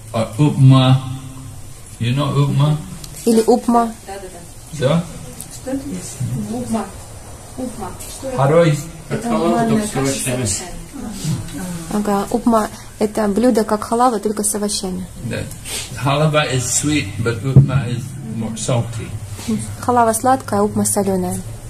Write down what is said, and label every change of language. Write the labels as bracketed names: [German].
[English] Or upma. You know upma? [Russian] Или упма. Да? Что это? Упма. Ага, упма это блюдо как халава, только с овощами. [English] Халава is sweet, but upma is more salty. [Russian] Халава сладкая, упма соленая.